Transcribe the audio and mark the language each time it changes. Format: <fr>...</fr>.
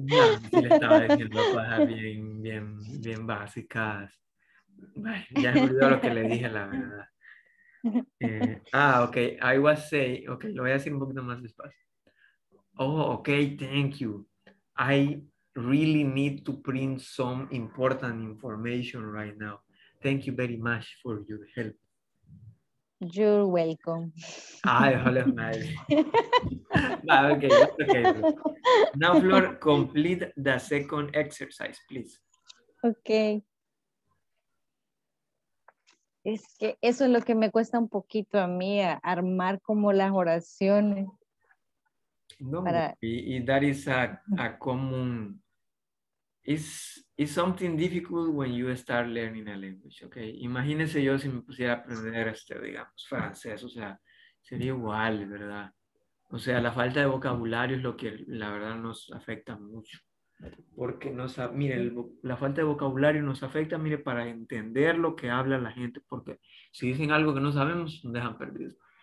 <es>No, sí le estaba diciendo cosas bien, bien, bien básicas. Ay, ya me olvidó lo que le dije, la verdad.</es> <en>Ok, I was saying, ok,</en> <es>lo voy a decir un poquito más despacio.</es> <en>Oh, ok, thank you. I really need to print some important information right now. Thank you very much for your help. You're welcome.</en> <es>Ay, hola, madre. Okay.</es> <en>Now, Flor, complete the second exercise, please. Okay.</en> <es>Es que eso es lo que me cuesta un poquito a mí, armar como las oraciones. No, para... y</es> <en>that is a common... It's something difficult when you start learning a language, okay?</en> <es>Imagínese yo si me pusiera a aprender, digamos, francés, o sea, sería igual, ¿verdad? O sea, la falta de vocabulario es lo que la verdad nos afecta mucho. Porque, la falta de vocabulario nos afecta, mire, para entender lo que habla la gente, porque si dicen algo que no sabemos, nos dejan perdidos.</es>